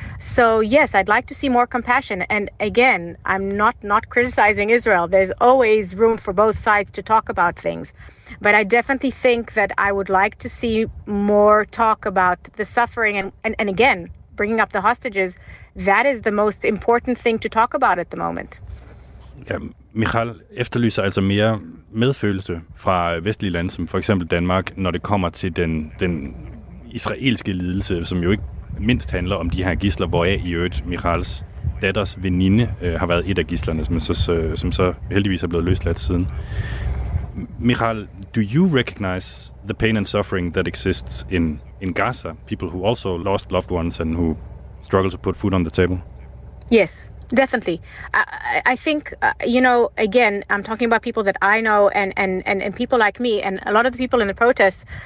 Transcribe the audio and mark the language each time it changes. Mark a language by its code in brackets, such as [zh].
[en] So yes, I'd like to see more compassion. And again, I'm not criticizing Israel. There's always room for both sides to talk about things. But I definitely think that I would like to see more talk about the suffering. And again, bringing up the hostages, that is the most important thing to talk about at the moment. Yeah. [da] Michael efterlyser altså mere medfølelse fra vestlige lande, som for eksempel Danmark, når det kommer til den israelske lidelse, som jo ikke mindst handler om de her gidsler, hvoraf i øvrigt Michaels datters veninde har været et af gidslerne, som så heldigvis er blevet løsladt siden. [en] Michael, do you recognize the pain and suffering that exists in Gaza? People who also lost loved ones and who struggle to put food on the table? Yes. Definitely. I think, you know, again, I'm talking about people that I know and people like me and a lot of the people in the protests.